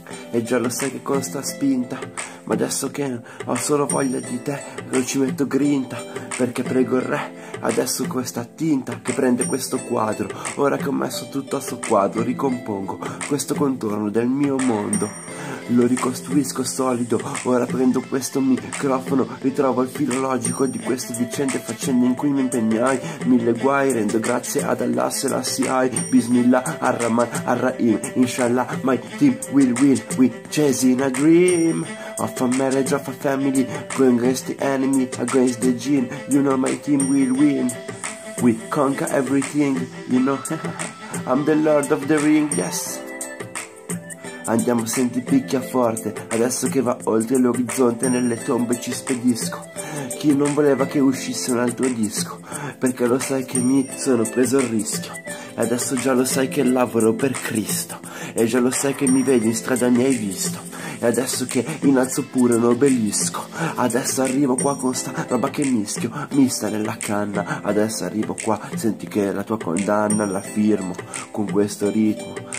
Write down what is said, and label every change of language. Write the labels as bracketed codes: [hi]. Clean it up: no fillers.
[it] E già lo sai che con sta spinta, ma adesso che ho solo voglia di te, non ci metto grinta, perché prego il re, adesso questa tinta che prende questo quadro, ora che ho messo tutto a suo quadro, ricompongo questo contorno del mio mondo, lo ricostruisco solido. Ora prendo questo microfono, ritrovo il filo logico di queste vicende, faccende in cui mi impegnai, mille guai, rendo grazie ad Allah se la si hai. [ar] Bismillah ar-Rahman ar-Rahim, [en] inshallah my team will we chase in a dream of a marriage of a family, going against the enemy, against the gene, you know my team will win, we conquer everything, you know. I'm the lord of the ring, yes. [it] Andiamo, senti, picchia forte, adesso che va oltre l'orizzonte, nelle tombe ci spedisco chi non voleva che uscisse un altro disco, perché lo sai che mi sono preso il rischio, e adesso già lo sai che lavoro per Cristo, e già lo sai che mi vedi in strada, mi hai visto, e adesso che innalzo pure un obelisco, adesso arrivo qua con sta roba che mischio, mista nella canna, adesso arrivo qua, senti che la tua condanna la firmo con questo ritmo.